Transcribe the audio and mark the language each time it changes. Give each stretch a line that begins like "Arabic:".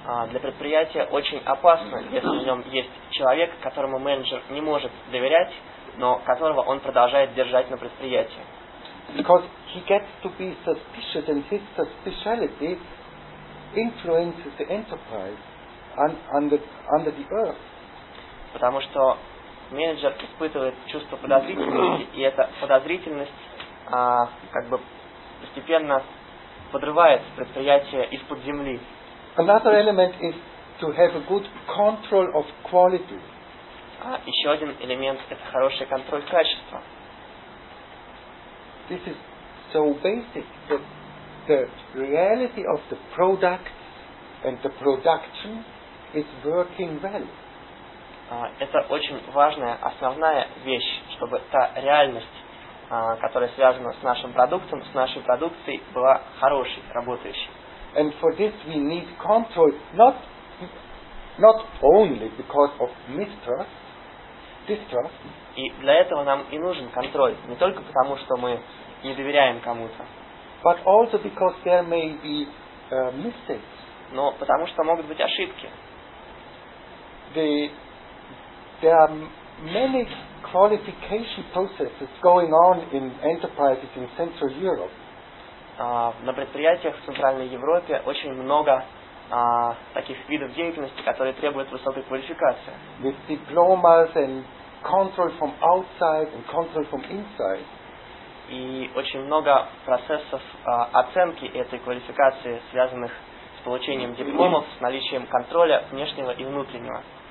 Russian: Для предприятия очень опасно, если в нем есть человек, которому менеджер не может доверять, но которого он продолжает держать на предприятии.
English: Because he gets to be suspicious and his suspiciality influences the enterprise under the earth.
Russian: Потому что менеджер испытывает чувство подозрительности, и эта подозрительность как бы постепенно подрывает предприятие из-под земли.
English: Another element is to have a good control of quality.
Russian: Еще один элемент – это хороший контроль качества.
English: This is so basic that the reality of the product and the production is working well.
Russian: Это очень важная, основная вещь, чтобы та реальность, которая связана с нашим продуктом, с нашей продукцией, была хорошей, работающей.
English: And for this we need control, not only because of distrust.
Russian: И для этого нам и нужен контроль, не только потому, что мы не доверяем кому-то.
English: But also because there may be mistakes.
Russian: Но потому что могут быть ошибки.
English: There are many qualification processes going on in enterprises in Central Europe.
Russian: На предприятиях в Центральной Европе очень много таких видов деятельности, которые требуют высокой квалификации.
English: With diplomas and control from outside and control from inside.
Russian: И очень много процессов оценки этой квалификации, связанных с получением дипломов, с наличием контроля внешнего и внутреннего.